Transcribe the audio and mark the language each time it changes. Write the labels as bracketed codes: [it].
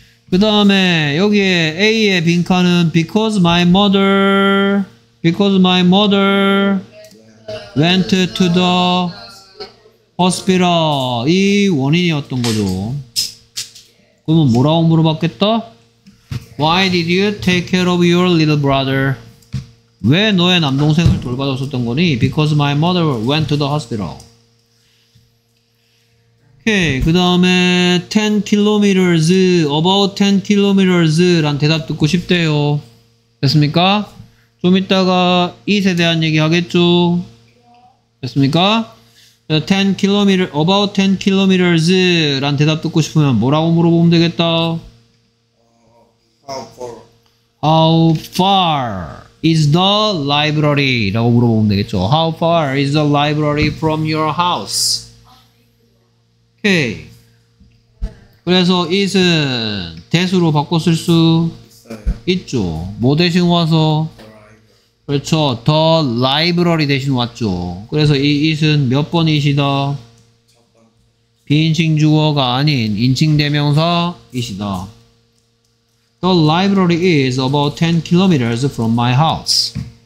[ko] 그 다음에 여기에 A의 빈칸은 [en] because my mother went to the hospital. [ko] 이 원인이었던 거죠. 그러면 뭐라고 물어봤겠다? [en] Why did you take care of your little brother? [ko] 왜 너의 남동생을 돌봐줬었던 거니? [en] Because my mother went to the hospital. [ko] Okay, 그 다음에 [en] 10 kilometers, about 10 kilometers [ko] 란 대답 듣고 싶대요. 됐습니까? 좀 이따가 it에 대한 얘기 하겠죠? 됐습니까? [en] 10 kilometers, about 10 kilometers [ko] 란 대답 듣고 싶으면 뭐라고 물어보면 되겠다? [en] How far? Is the library [ko] 라고 물어보면 되겠죠. [en] How far is the library from your house? [ko] Okay. 그래서 it은 that으로 바꿨을 수 있어요. 있죠. 뭐 대신 와서? 그렇죠. The library 대신 왔죠. 그래서 이 it은 몇 번이시다? 비인칭 주어가 아닌 인칭 대명사이시다. [en] The library is about 10 kilometers from my house.